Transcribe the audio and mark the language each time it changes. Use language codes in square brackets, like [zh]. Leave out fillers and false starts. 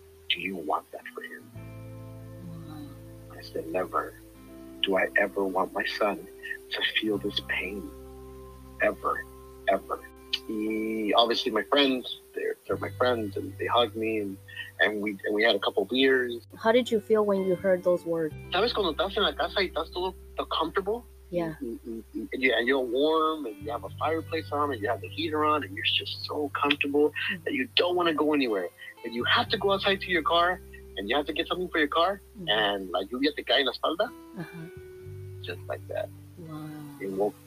[en] Do you want that for him? I said, never do I ever want my son to feel this pain ever. He, obviously my friends, they're my friends and they hugged me and we had a couple beers. How did you feel when you heard those words? [es] ¿Sabes cuando estás en la casa y estás todo comfortable? [en] Yeah. And you're warm and you have a fireplace on and you have the heater on and you're just so comfortable that you don't want to go anywhere. And you have to go outside to your car and you have to get something for your car. [es] Mm-hmm. And la lluvia te cae en la espalda. Uh-huh. [en] Just like that. Wow.